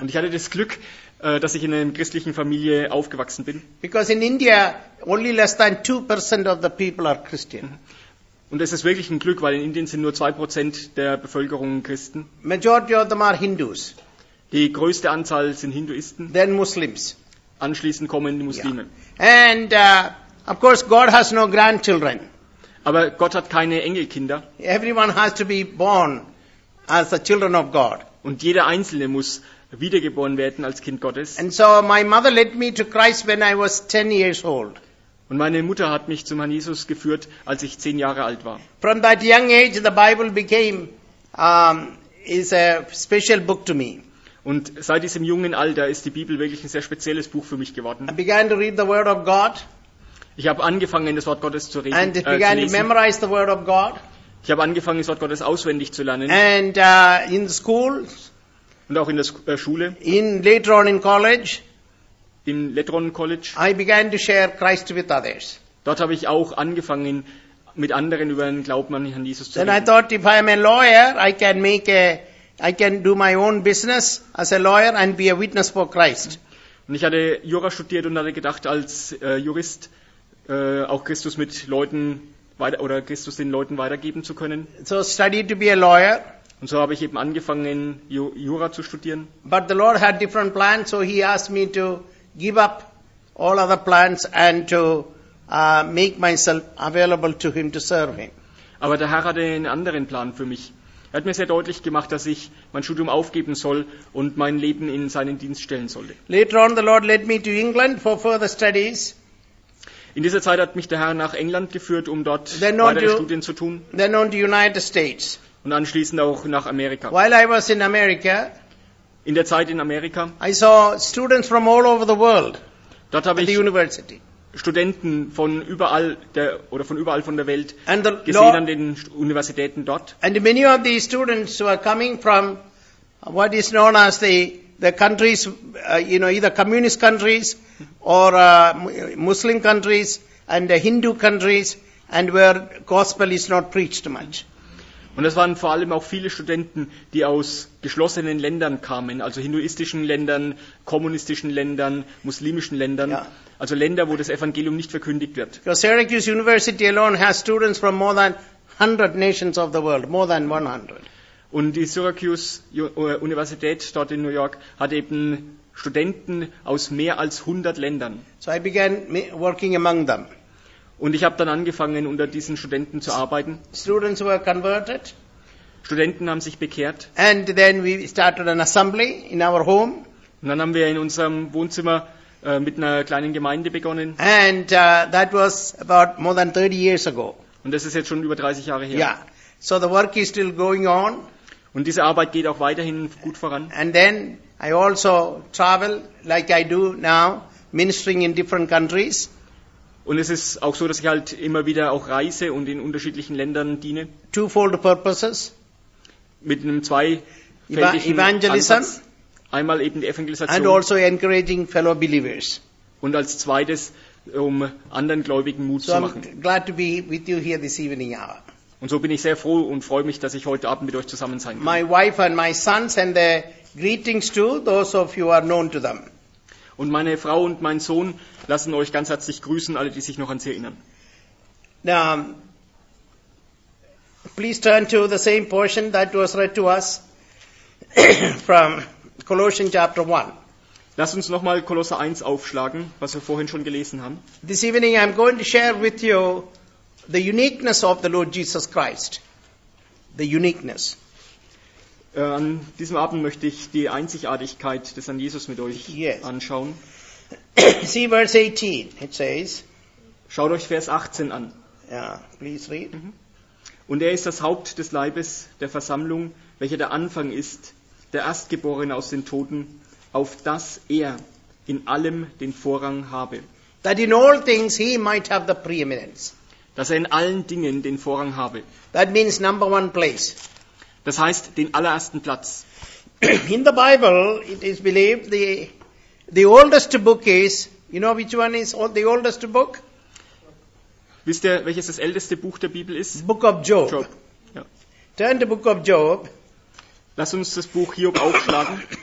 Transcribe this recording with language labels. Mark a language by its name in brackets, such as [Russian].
[German] Und ich hatte das Glück, dass ich in einer christlichen Familie aufgewachsen bin. [English] Because in India only less than 2% of the people are Christian. [German] Und es ist wirklich ein Glück, weil in Indien sind nur 2% der Bevölkerung Christen. [English] Majority of them are Hindus. [German] Die größte Anzahl sind Hinduisten. [English] Then Muslims. [German] Anschließend kommen die Muslime. [English] Yeah. And of course God has no grandchildren. [German] Aber Gott hat keine Enkelkinder. [English] Everyone has to be born as the children of God. [German] Und jeder Einzelne muss wiedergeboren werden als Kind Gottes. [English] And so my mother led me to Christ when I was 10 years old. [German] Und meine Mutter hat mich zum Herrn Jesus geführt, als ich 10 Jahre alt war. [English] From that young age the Bible became is a special book to me. [German] Und seit diesem jungen Alter ist die Bibel wirklich ein sehr spezielles Buch für mich geworden. [English] I began to read the Word of God. [German] Ich habe angefangen, das Wort Gottes zu reden. [English] And began to memorize the Word of God. [German] Ich habe angefangen, das Wort Gottes auswendig zu lernen. [English] And in school. [German] Und auch in der Schule. [English] In later on in college. [German] Im Lateron College. [English] I began to share Christ with others. [German] Dort habe ich auch angefangen, mit anderen über den Glauben an Herrn Jesus zu reden. [English] Then I thought, if I am a lawyer, I can do my own business as a lawyer and be a witness for Christ. [German] Und ich hatte Jura studiert und hatte gedacht, als Jurist auch Christus mit Leuten weiter, oder Christus den Leuten weitergeben zu können. [English] So studied to be a lawyer. [German] Und so habe ich eben angefangen, Jura zu studieren. [English] But the Lord had different plans, so he asked me to give up all other plans and to make myself available to him to serve him. [German] Aber der Herr hatte einen anderen Plan für mich. Er hat mir sehr deutlich gemacht, dass ich mein Studium aufgeben soll und mein Leben in seinen Dienst stellen sollte. [English] Later on, the Lord led me to England for further studies. [German] In dieser Zeit hat mich der Herr nach England geführt, um dort weitere Studien zu tun. [English] Then on to United States. [German] Und anschließend auch nach Amerika. [English] While I was in America, [German] in der Zeit in Amerika, [English] I saw students from all over the world. [German] Dort habe ich Studenten von überall der oder von überall von der Welt gesehen an den Universitäten dort. [English] And many of these students were coming from what is known as the countries, you know, either communist countries or Muslim countries and Hindu countries, and where gospel is not preached much. [German] Und es waren vor allem auch viele Studenten, die aus geschlossenen Ländern kamen, also hinduistischen Ländern, kommunistischen Ländern, muslimischen Ländern, ja. Also Länder, wo das Evangelium nicht verkündigt wird. [English] Because Syracuse University alone has students from more than 100 nations of the world, more than 100. [German] Und die Syracuse Universität dort in New York hat eben Studenten aus mehr als 100 Ländern. [English] So I began working among them. [German] Und ich habe dann angefangen, unter diesen Studenten zu arbeiten. [English] Students were converted. [German] Studenten haben sich bekehrt. [English] And then we started an assembly in our home. [German] Und dann haben wir in unserem Wohnzimmer mit einer kleinen Gemeinde begonnen. [English] And that was about more than 30 years ago. [German] Und das ist jetzt schon über 30 Jahre her. [English] Yeah. So the work is still going on. [German] Und diese Arbeit geht auch weiterhin gut voran. [English] And then I also travel like I do now, ministering in different countries. [German] Und es ist auch so, dass ich halt immer wieder auch reise und in unterschiedlichen Ländern diene. [English] Twofold purposes. [German] Mit einem zweifältigen [English] Evangelism. [German] Ansatz. Einmal eben die Evangelisation. [English] And also encouraging fellow believers. [German] Und als zweites, um anderen Gläubigen Mut [English] so [German] zu [English] I'm [German] machen. [English] Glad to be with you here this evening. [German] Und so bin ich sehr froh und freue mich, dass ich heute Abend mit euch zusammen sein kann. [English] My wife and my sons and their greetings to those of you who are known to them. [German] Und meine Frau und mein Sohn lassen euch ganz herzlich grüßen, alle, die sich noch an sie erinnern. [English] Now, please turn to the same portion that was read to us from Colossians chapter 1. [German] Lass uns nochmal Kolosser 1 aufschlagen, was wir vorhin schon gelesen haben. [English] This evening I'm going to share with you the uniqueness of the Lord Jesus Christ. The uniqueness. [German] An diesem Abend möchte ich die Einzigartigkeit des Herrn Jesus mit euch anschauen. [English] See verse 18, it says. [German] Schaut euch Vers 18 an. [English] Yeah, please read. [German] Und er ist das Haupt des Leibes, der Versammlung, welcher der Anfang ist, der Erstgeborene aus den Toten, auf das er in allem den Vorrang habe. [English] That in all things he might have the preeminence. [German] Dass er in allen Dingen den Vorrang habe. [English] That means number one place. [German] Das heißt, den allerersten Platz. [English] In the Bible, it is believed the oldest book is, you know which one is the oldest book? [German] Wisst ihr, welches das älteste Buch der Bibel ist? [English] Book of Job. [German] Job. Ja. [English] Turn to Book of Job. [German] Lass uns das Buch Hiob aufschlagen.